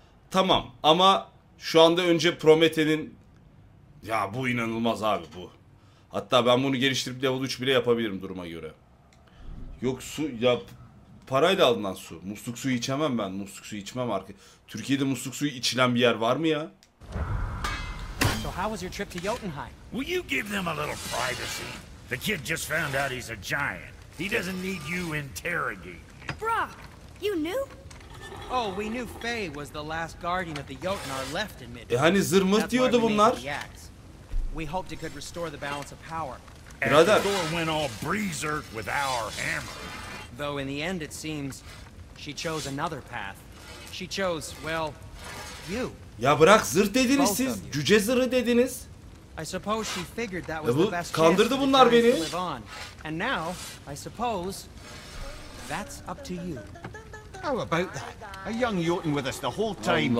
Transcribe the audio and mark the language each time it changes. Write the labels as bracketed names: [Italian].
[Turkish] Tamam ama şu anda önce Promete'nin... Ya bu inanılmaz abi bu. Hatta ben bunu geliştirip level 3 bile yapabilirim duruma göre. Yok su ya, parayla alınan su. Musluk suyu içemem ben. Musluk suyu içmem arka. Türkiye'de musluk suyu içilen bir yer var mı ya? [English] So how was your trip to Jotunheim? Will you give them a little privacy? The kid just found out he's a giant. He doesn't need you interrogating. Brock, you knew? Oh, we knew Faye was the last guardian of the Jotunar left in Midgard. [Turkish] E hani zırmıt diyordu bunlar. [English] We hoped it could restore the balance of power. And the door went all breezer with our hammer. Though in the end it seems she chose another path. She chose, well, you. [Turkish] Ya bırak zırh dediniz siz, cüce zırhı dediniz. [English] I suppose she figured that was the best chance. [Turkish] Kandırdı bunlar beni. [English] And now, I suppose that's up to you. How about that? A young Jotun with us the whole time.